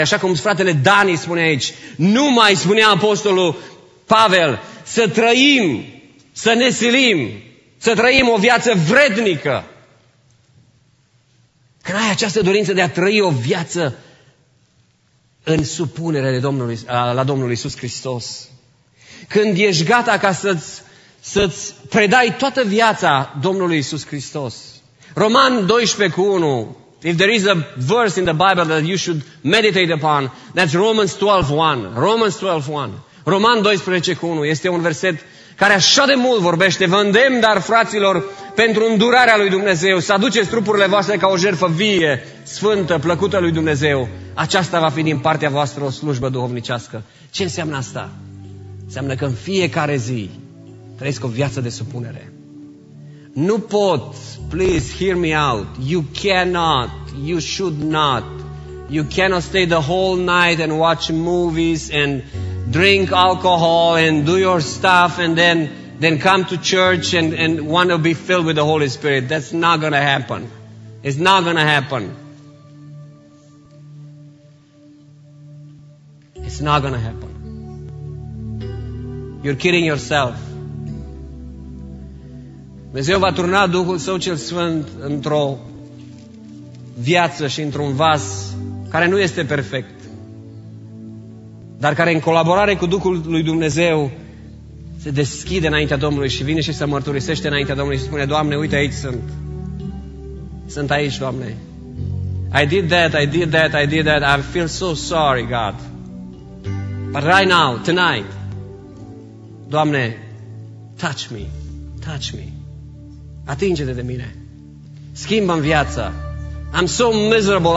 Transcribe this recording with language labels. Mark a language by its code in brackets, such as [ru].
[ro] Așa cum fratele Dani spune aici, nu mai spunea apostolul Pavel, să trăim, să ne silim, să trăim o viață vrednică. Când ai această dorință de a trăi o viață în supunere de Domnul Iisus Hristos, când ești gata ca să-ți predai toată viața Domnului Iisus Hristos. [en] Roman 12:1, if there is a verse in the Bible that you should meditate upon, that's Romans 12:1. [ro] Roman 12:1 este un verset care așa de mult vorbește, vă îndemn, dar fraților, pentru îndurarea lui Dumnezeu, să aduceți trupurile voastre ca o jertfă vie, sfântă, plăcută lui Dumnezeu. Aceasta va fi din partea voastră o slujbă duhovnicească. Ce înseamnă asta? Înseamnă că în fiecare zi trăiesc o viață de supunere. Nu pot, [en] please hear me out, you cannot, you should not, you cannot stay the whole night and watch movies and drink alcohol and do your stuff and then come to church and want to be filled with the Holy Spirit. That's not going to happen. It's not going to happen. It's not going to happen. You're kidding yourself. [ro] Dumnezeu va turna Duhul Său cel Sfânt într-o viață și într-un vas care nu este perfect, dar care în colaborare cu Duhul lui Dumnezeu se deschide înaintea Domnului și vine și se mărturisește înaintea Domnului și spune: Doamne, uite, aici sunt. Sunt aici, Doamne. [en] I did that, I did that, I did that. I feel so sorry, God. But right now, tonight, Doamne, touch me, touch me. [ro] Atinge-te de mine. Schimbă-mi viața. [en] I'm so miserable.